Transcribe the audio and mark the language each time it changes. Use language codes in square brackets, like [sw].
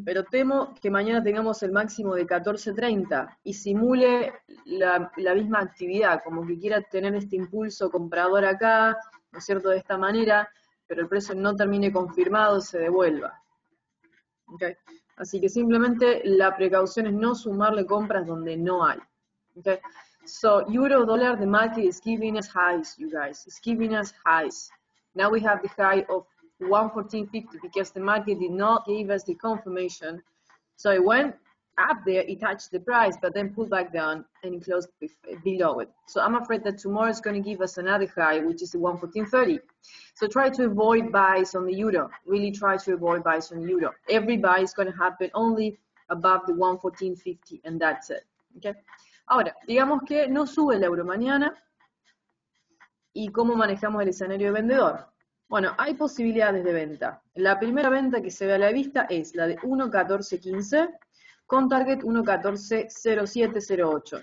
[es] Pero temo que mañana tengamos el máximo de 14.30 y simule la misma actividad, como que quiera tener este impulso comprador acá, ¿no es cierto?, de esta manera, pero el precio no termine confirmado, se devuelva. ¿Okay? Así que simplemente la precaución es no sumarle compras donde no hay. ¿Okay? [en] So, euro dollar, the market is giving us highs, you guys. It's giving us highs. Now we have the high of 114.50 because the market did not give us the confirmation. So it went up there, it touched the price, but then pulled back down and it closed below it. So I'm afraid that tomorrow is going to give us another high, which is the 114.30. So try to avoid buys on the euro. Really try to avoid buys on the euro. Every buy is going to happen only above the 114.50, and that's it. Okay? [es] Ahora, digamos que no sube el euro mañana. ¿Y cómo manejamos el escenario de vendedor? Bueno, hay posibilidades de venta. La primera venta que se ve a la vista es la de 1.1415 con target 1.1407.08.